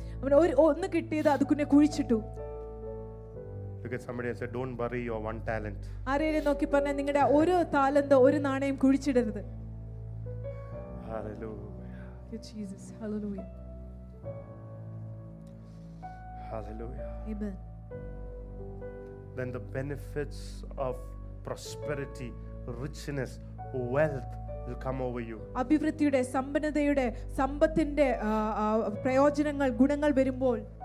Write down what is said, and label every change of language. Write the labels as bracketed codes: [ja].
[ml] അവനെ ഒരു ഒന്ന് കിട്ടിയത് അതുകൊണ്ട് കുഴിച്ചിട്ടു. [en] Look at somebody and say, don't bury your one talent. [ml] ആരെയും നോക്കി പറഞ്ഞാ നിങ്ങളുടെ ഒരു താലന്ത് ഒരു നാണയം കുഴിച്ചിടരുത്. [en] Hallelujah. Jesus. Hallelujah. Hallelujah. Amen. Then the benefits of prosperity, richness, wealth will come over you. [ml] അഭിവൃദ്ധിയുടെ സമ്പന്നതയുടെ സമ്പത്തിന്റെ പ്രയോജനങ്ങൾ ഗുണങ്ങൾ വരുമ്പോൾ.